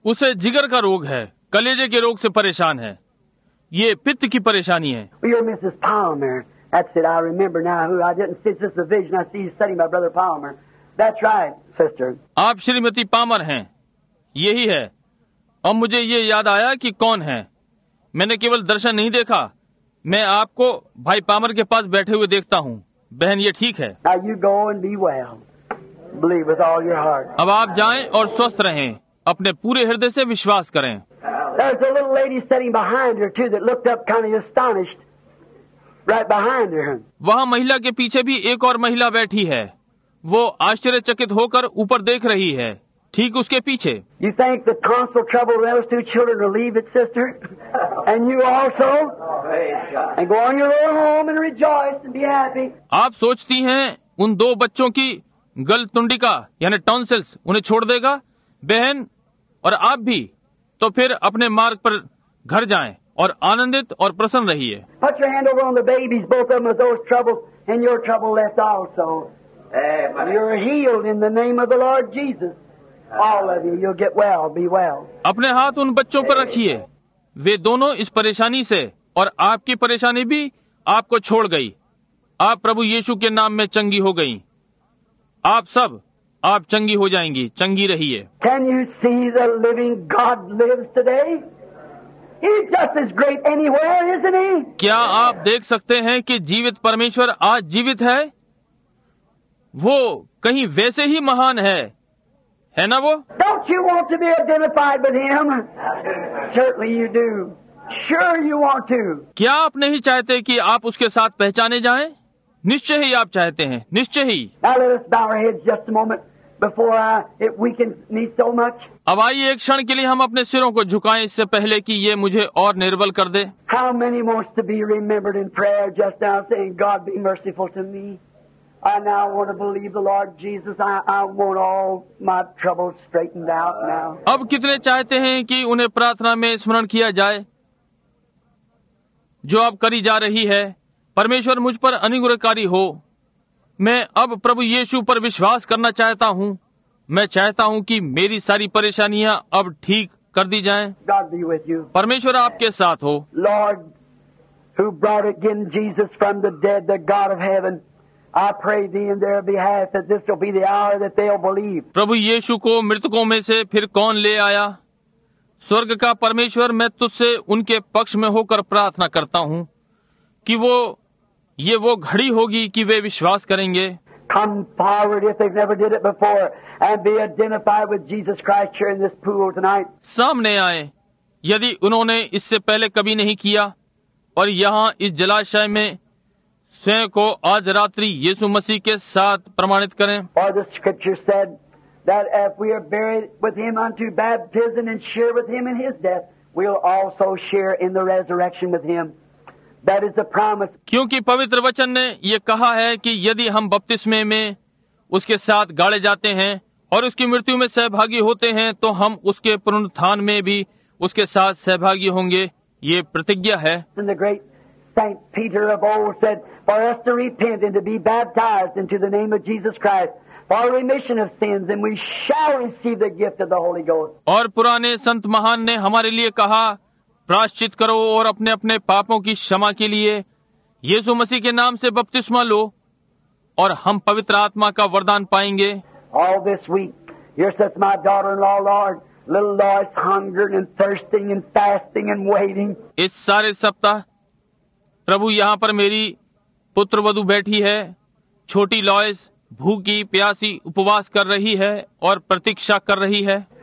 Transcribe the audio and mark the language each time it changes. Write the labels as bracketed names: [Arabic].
[Hindi] उसे जिगर का रोग है, कलेजे के रोग से परेशान है, ये पित्त की परेशानी है। [English] You're Mrs. Palmer. That's it. I remember now. Who I didn't see, just a vision. I see you studying my brother Palmer. That's right, sister. [Hindi] आप श्रीमती पामर हैं, यही है। अब मुझे ये याद आया कि कौन है। मैंने केवल दर्शन नहीं देखा, मैं आपको भाई पामर के पास बैठे हुए देखता हूँ। बहन ये ठीक है। [English] Now you go and be well. Believe with all your heart. [Hindi] अब आप जाएं और स्वस्थ रहें, अपने पूरे हृदय से विश्वास करें। [English] There's a little lady sitting behind her too that looked up kind of astonished right behind her. [Hindi] वहाँ महिला के पीछे भी एक और महिला बैठी है, वो आश्चर्यचकित होकर ऊपर देख रही है ठीक उसके पीछे। [English] You think the tonsil trouble of those two children relieved it, sister? And you also? And go on your own home and rejoice and be happy. [Hindi] आप सोचती हैं उन दो बच्चों की गल तुंडिका यानी टॉन्सिल्स उन्हें छोड़ देगा, बहन और आप भी, तो फिर अपने मार्ग पर घर जाएं और आनंदित और प्रसन्न रहिए। [English] Put your hand over on the babies, both of them, with those troubles and your trouble left also. You're healed in the name of the Lord Jesus. All of you, you'll get well, be well. [Hindi] अपने हाथ उन बच्चों पर रखिए, वे दोनों इस परेशानी से और आपकी परेशानी भी आपको छोड़ गई, आप प्रभु यीशु के नाम में चंगी हो गई, आप सब आप चंगी हो जाएंगी, चंगी रहिए। [English] Can you see the living God lives today? He's just as great anywhere, isn't he? [Hindi] क्या आप देख सकते हैं कि जीवित परमेश्वर आज जीवित है? वो कहीं वैसे ही महान है ना वो? [English] Don't you want to be identified with him? Certainly you do. Sure you want to. [Hindi] क्या आप नहीं चाहते कि आप उसके साथ पहचाने जाएं? निश्चय ही आप चाहते हैं, निश्चय ही। [English] Now let us bow our heads just a moment before it weakens me so much. [Hindi] अब आइए एक क्षण के लिए हम अपने सिरों को झुकाएं इससे पहले कि ये मुझे और निर्बल कर दे। [English] How many more to be remembered in prayer just now saying, God be merciful to me. I now want to believe the Lord Jesus. I want all my troubles straightened out now. [Hindi] अब कितने चाहते हैं कि उन्हें प्रार्थना में स्मरण किया जाए जो अब करी जा रही है। परमेश्वर मुझ पर अनुग्रहकारी हो, मैं अब प्रभु यीशु पर विश्वास करना चाहता हूँ, मैं चाहता हूँ कि मेरी सारी परेशानियाँ अब ठीक कर दी जाएं। [English] God be with you. [Hindi] परमेश्वर आपके साथ हो। [English] Lord, who brought again Jesus from the dead, the God of heaven, I pray thee in their behalf that this will be the hour that they'll believe. [Hindi] प्रभु यीशु को मृतकों में से फिर कौन ले आया? स्वर्ग का परमेश्वर, मैं तुझसे उनके पक्ष में होकर प्रार्थना करता हूँ कि वो ये वो घड़ी होगी कि वे विश्वास करेंगे। [English] Come forward if they've never did it before and be identified with Jesus Christ here in this pool tonight. [Hindi] सामने आए यदि उन्होंने इससे पहले कभी नहीं किया और यहाँ इस जलाशय में स्वयं को आज रात्रि यीशु मसीह के साथ प्रमाणित करें। [English] For the scripture said that if we are buried with him unto baptism and share with him in his death, we'll also share in the resurrection with him. That is the promise. [Hindi] क्योंकि पवित्र वचन ने ये कहा है कि यदि हम बपतिस्मे में उसके साथ गाड़े जाते हैं और उसकी मृत्यु में सहभागी होते हैं तो हम उसके पुनरुत्थान में भी उसके साथ सहभागी होंगे, ये प्रतिज्ञा है। [English] And the great Saint Peter of old said, for us to repent and to be baptized into the name of Jesus Christ for remission of sins, and we shall receive the gift of the Holy Ghost. [Hindi] और पुराने संत महान ने हमारे लिए कहा, प्राश्चित करो और अपने अपने पापों की क्षमा के लिए यीशु मसीह के नाम से बपतिस्मा लो और हम पवित्र आत्मा का वरदान पाएंगे। [English] All this week, you're such my daughter-in-law, Lord. Little Lois hungering and thirsting and fasting and waiting. [Hindi] इस सारे सप्ताह प्रभु यहाँ पर मेरी पुत्रवधु बैठी है, छोटी लॉयस भूखी प्यासी उपवास कर रही है और प्रतीक्षा कर रही है।